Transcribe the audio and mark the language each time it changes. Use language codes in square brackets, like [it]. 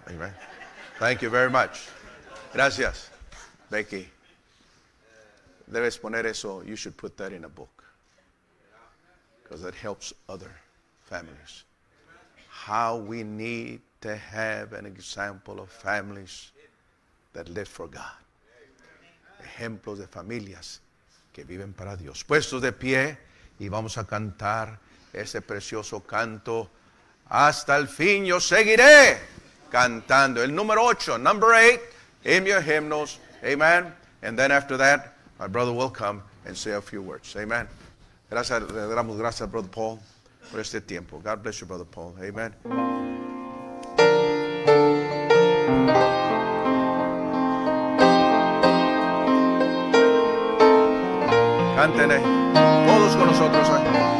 [en] Amen. Thank you very much. [es] Gracias, Becky. Debes poner eso. [en] You should put that in a book. Because that helps other families. How we need to have an example of families that live for God. [es] Ejemplos de familias que viven para Dios. Puestos de pie y vamos a cantar ese precioso canto. Hasta el fin yo seguiré cantando. El número 8, [en] number 8, in your hymnals. Amen. And then after that, my brother will come and say a few words. Amen. [es] Gracias, le damos gracias a Brother Paul por este tiempo. [en] God bless you, Brother Paul. Amen. Thank you. [es] canten todos con nosotros aquí.